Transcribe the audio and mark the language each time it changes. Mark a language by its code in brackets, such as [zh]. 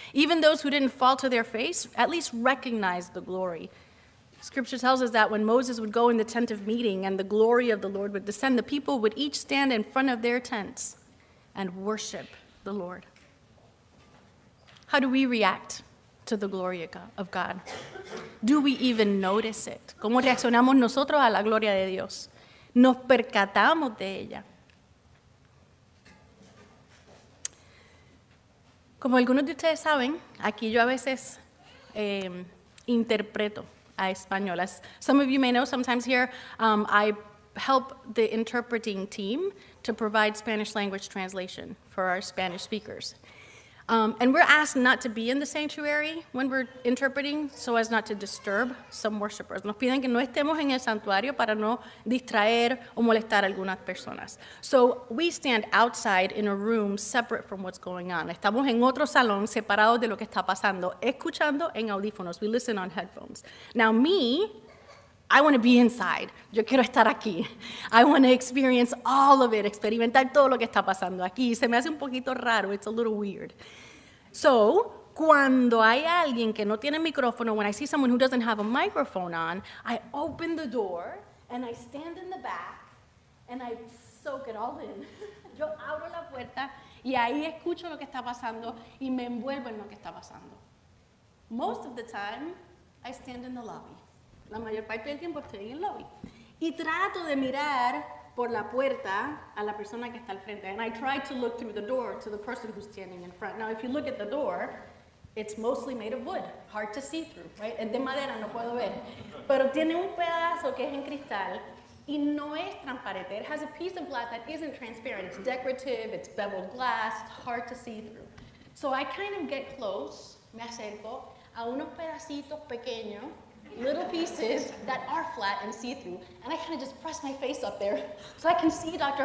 [en] Even those who didn't fall to their face at least recognized the glory. Scripture tells us that when Moses would go in the tent of meeting and the glory of the Lord would descend, the people would each stand in front of their tents and worship the Lord. How do we react to the glory of God? Do we even notice it? [es] ¿Cómo reaccionamos nosotros a la gloria de Dios? ¿Nos percatamos de ella? Como algunos de ustedes saben, aquí yo a veces interpreto a español. [en] As some of you may know, sometimes here I help the interpreting team to provide Spanish language translation for our Spanish speakers. And we're asked not to be in the sanctuary when we're interpreting so as not to disturb some worshipers. [es] Nos piden que no estemos en el santuario para no distraer o molestar algunas personas. [en] So we stand outside in a room separate from what's going on. [es] Estamos en otro salón separado de lo que está pasando, escuchando en audífonos. [en] We listen on headphones. Now me, I want to be inside. [es] Yo quiero estar aquí. [en] I want to experience all of it, [es] experimentar todo lo que está pasando aquí. Se me hace un poquito raro. [en] It's a little weird. So, [es] cuando hay alguien que no tiene micrófono, [en] when I see someone who doesn't have a microphone on, I open the door and I stand in the back and I soak it all in. [es] Yo abro la puerta y ahí escucho lo que está pasando y me envuelvo en lo que está pasando. [en] Most of the time, I stand in the lobby. [es] La mayor parte del tiempo estoy en el lobby. Y trato de mirar por la puerta a la persona que está al frente. [en] And I try to look through the door to the person who's standing in front. Now, if you look at the door, it's mostly made of wood, hard to see through, right? [es] Es de madera, no puedo ver. Pero tiene un pedazo que es en cristal y no es transparente. [en] It has a piece of glass that isn't transparent. It's decorative, it's beveled glass, it's hard to see through. So I kind of get close, [es] me acerco, a unos pedacitos pequeños, [en] little pieces that are flat and see-through, and I kind of just press my face up there so I can see Dr.